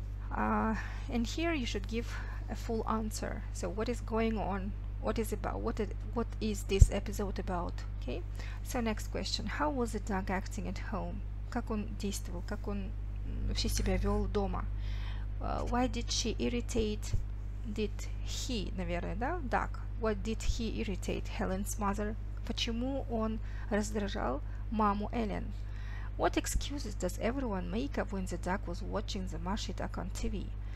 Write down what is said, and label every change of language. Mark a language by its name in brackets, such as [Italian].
[English] And here you should give a full answer. So what is going on? What is about? What is this episode about? Okay. So next question, how was the duck acting at home? [Russian] Как он действовал? Как он вообще себя вел дома? [English] Why did she irritate? Did he, [Russian] наверное, да? [English] Duck. What did he irritate Helen's mother? [Russian] Почему он раздражал маму Эллен? [English] What excuses does everyone make up when the duck was watching the mushy duck on TV?